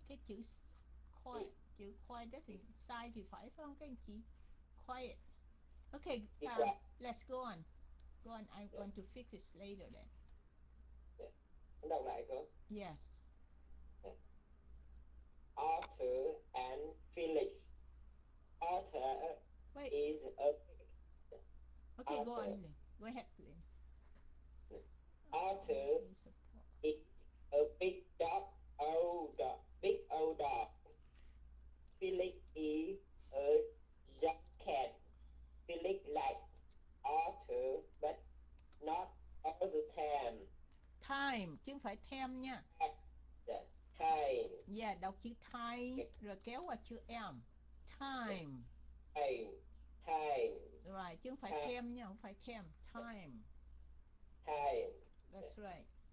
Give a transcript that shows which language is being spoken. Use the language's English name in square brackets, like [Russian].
[Vietnamese] Cái chữ quiet, chữ quiet đó thì sigh thì phải không các anh chị? [English] Quiet. Okay, let's go on. Go on, I'm going to fix this later then. [Vietnamese] Đọc lại cơ. [English] Yes. Arthur and Felix. Arthur Wait. Is a... Okay, Arthur. Go on. Lynn. Go ahead, please. Arthur is a big dog, old dog, big old dog. Felix is a young cat. Felix likes Arthur, but not all the time. [Vietnamese] Time, chứ không phải thêm nha. [English] Time. [Vietnamese] Yeah, đọc chữ time, rồi kéo qua chữ em. [English] Time. Time. [Vietnamese] Right, chứ không phải thêm nha, không phải thêm. [English] Time. Time. That's right.